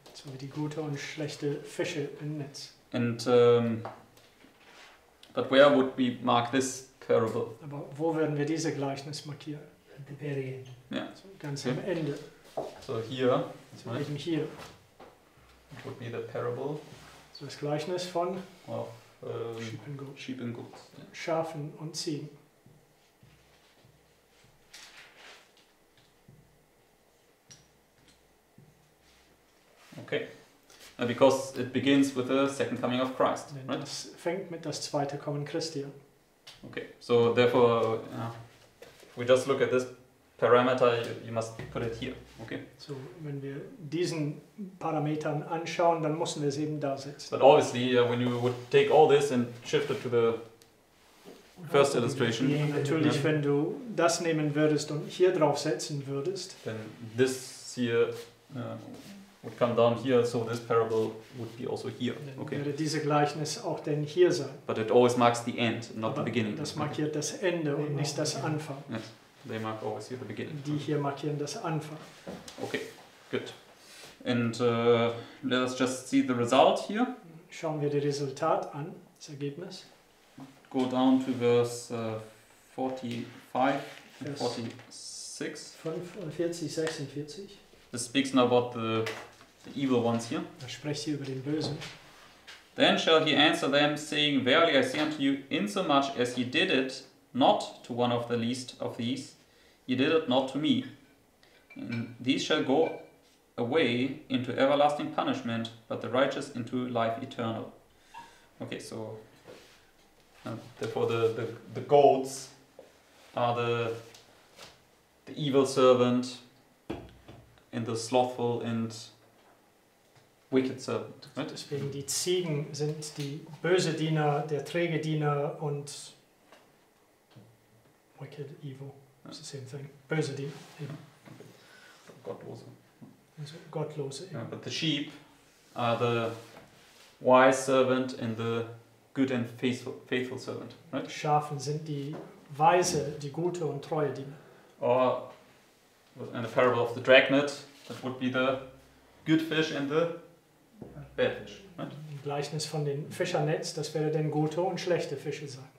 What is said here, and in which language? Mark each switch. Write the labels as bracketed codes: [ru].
[de] So wie die gute und schlechte Fische im Netz. [en] And, but where would we mark this parable? [de] Aber wo werden wir diese Gleichnis markieren? [en] Yeah. [de] So ganz okay. Am Ende. [en] So here. So right. [de] Hier. [en] It would be the parable. [de] So das Gleichnis von [en] of, Sheep and Goats. Sheep and goats. Yeah. [de] Schafen und Ziegen. [en] Okay. Because it begins with the second coming of Christ, right? [de] Das fängt mit das zweite Kommen Christi an. [en] Okay, so therefore, if we just look at this parameter, you must put it here, okay? [de] So, wenn wir diesen Parametern anschauen, dann müssen wir es eben da setzen. [en] But obviously, when you would take all this and shift it to the first illustration. [de] Natürlich, yeah. Wenn du das nehmen würdest und hier drauf setzen würdest. [en] Then this here would come down here, so this parable would be also here. Okay. [de] Dann würde diese Gleichnis auch denn hier sein. [en] But it always marks the end, not the beginning. [de] Das markiert das Ende und nicht das Anfang. [en] Yes. They mark always here the beginning. [de] Die hier markieren das Anfang. [en] Okay, good. And let us just see the result here. [de] Schauen wir das Resultat an, das Ergebnis. [en] Go down to verse 45 and 46. 46. This speaks now about the evil ones here. [de] Da spricht hier über den Bösen. [en] Then shall he answer them, saying, verily I say unto you, insomuch as ye did it not to one of the least of these, ye did it not to me. And these shall go away into everlasting punishment, but the righteous into life eternal. Okay, so therefore the goats are the evil servant. And the slothful and wicked servant. Right? [de] Deswegen die Ziegen sind die böse Diener, der träge Diener und [en] wicked, evil. It's the same thing. [de] Böse Diener. [en] Yeah. [de] Okay. Gottlose. Also Gottlose. Yeah. [en] Yeah, but the sheep are the wise servant and the good and faithful servant. Right? [de] Schafen sind die weise, die gute und treue Diener. [en] Or in the parable of the dragnet. That would be the good fish and the bad fish, right? [de] Gleichnis von den Fischernetz, das wäre denn gute und schlechte Fische sein.